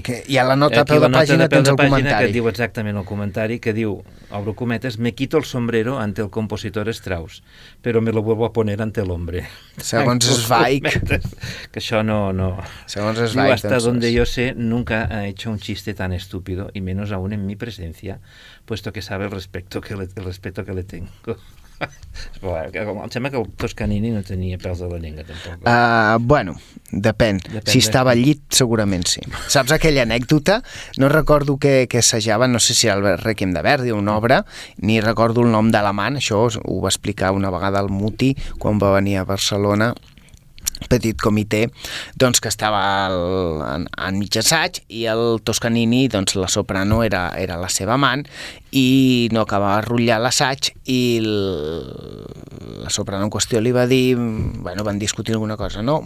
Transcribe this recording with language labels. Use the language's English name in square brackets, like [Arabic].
[Catalan] Que hi ha la nota a peu de pàgina, tens el comentari. Que diu exactament el comentari, que diu, obro cometes, [Spanish] me quito el sombrero ante el compositor Strauss, pero me lo vuelvo a poner ante el hombre. [Catalan] Segons Zweig. Que això no... Segons Zweig. Diu, [Spanish] hasta donde yo sé, nunca ha hecho un chiste tan estúpido, y menos aún en mi presencia, puesto que sabe el respeto que le tengo. [Catalan] Em sembla que el Toscanini no tenia pèls de la llengua tampoc. Depèn. Si estava al llit, segurament sí. Saps aquella anècdota? No recordo què assajava, no sé si era el Requiem de Verdi o una obra, ni recordo el nom de l'amant. Això ho va explicar una vegada el Muti quan va venir a Barcelona, petit comitè, doncs que estava en mig assaig, i el Toscanini, doncs la soprano era la seva amant, i no acabava de rotllar l'assaig, i la soprano en qüestió li va dir, bueno, van discutir alguna cosa, no?